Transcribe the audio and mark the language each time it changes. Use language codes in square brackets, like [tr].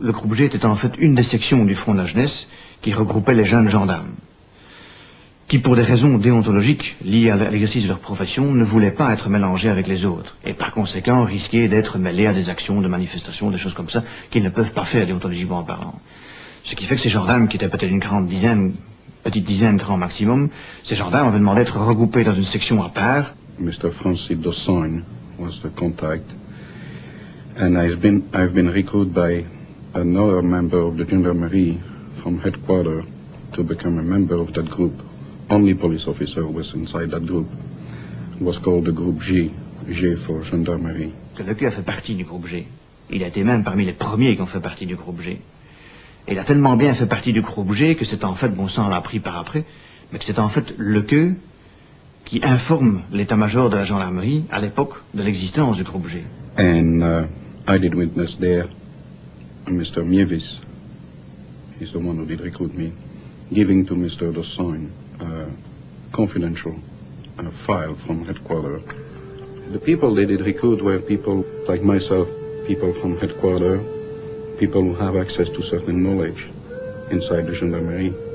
[fr] Le groupe G était en fait une des sections du Front de la Jeunesse qui regroupait les jeunes gendarmes, qui pour des raisons déontologiques liées à l'exercice de leur profession ne voulaient pas être mélangés avec les autres et par conséquent risquaient d'être mêlés à des actions, de manifestations, des choses comme ça qu'ils ne peuvent pas faire déontologiquement parlant. Ce qui fait que ces gendarmes, qui étaient peut-être une grande dizaine petite dizaine grand maximum. Ces gendarmes avaient demandé d'être regroupés dans une section à part. [en] Mr. Francis Dossain was the contact. And I've been recruited by another member of the Gendarmerie from headquarters to become a member of that group. Only police officer was inside that group. It was called the Group G, G for Gendarmerie. [fr] Que le cœur fait partie du Groupe G. Il a été même parmi les premiers qui ont fait partie du Groupe G. Et il a tellement bien fait partie du Groupe G que c'est en fait, bon ça on l'a appris par après, mais que c'est en fait le cœur qui informe l'état-major de la gendarmerie à l'époque de l'existence du Groupe G. [en] And I did witness there Mr. Mievis, he's the one who did recruit me, giving to Mr. Dossain a confidential file from headquarters. The people they did recruit were people like myself, people from headquarters, people who have access to certain knowledge inside the gendarmerie.